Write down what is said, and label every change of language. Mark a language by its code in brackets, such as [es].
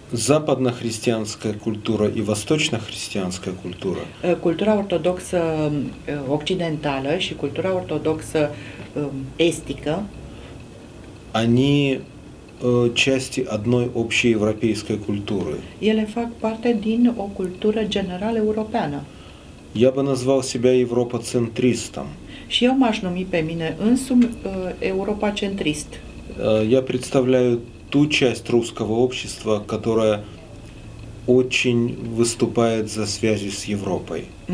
[ru] Западно-христианская культура и восточно-христианская культура. [ro] Cultura ortodoxă occidentală și cultura ortodoxă estică. [ru] Они части одной общей европейской культуры. [ro] Ele fac parte din o cultură generală europeană. [ru] Я бы назвал себя европоцентристом. [ro] Și eu m-aș numi pe mine însumi europacentrist. [ru] Я представляю ту часть русского общества, которая очень выступает за связи с Европой.